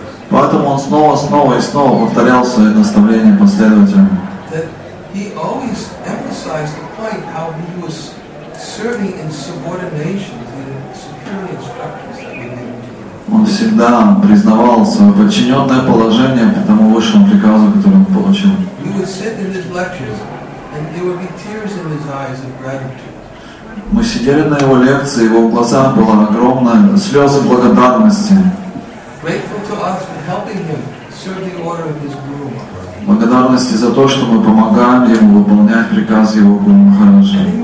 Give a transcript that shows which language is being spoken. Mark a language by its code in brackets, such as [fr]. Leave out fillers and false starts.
[ru] Поэтому он снова, снова и снова повторял свои наставления последователям. [en] He always emphasized the point how he was serving in subordination to the superior instructors that he gave to him. [ru] Он всегда признавал свое подчиненное положение по тому высшему приказу, который он получил. [en] He would sit in his lectures, and there would be tears in his eyes of gratitude. [ru] Мы сидели на его лекции, его глаза были огромные, слезы благодарности. [en] Grateful to us for helping him serve the order of his guru. [ru] Благодарности за то, что мы помогаем ему выполнять приказ его Гуру Махараджа.